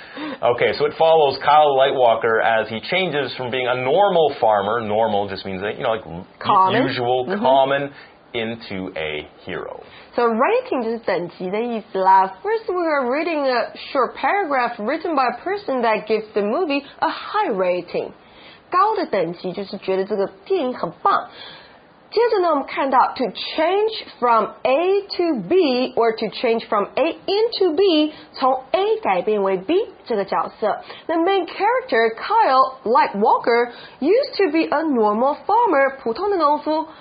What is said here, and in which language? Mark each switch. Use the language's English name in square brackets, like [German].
[English] Okay, so it follows Kyle Lightwalker as he changes from being a normal farmer. Normal just means, that, you know, like common. Usual, common. Into a hero. So writing just sent you that he's laughed. First, we are reading a short paragraph written by a person that gives the movie a high rating. [Chinese] 高的等级就是觉得这个电影很棒。接着呢，我们看到 [English] to change from A to B or to change from A into B, [Chinese] 从 A 改变为 B 这个角色。 [English] The main character Kyle Lightwalker used to be a normal farmer, [Chinese] 普通的农夫。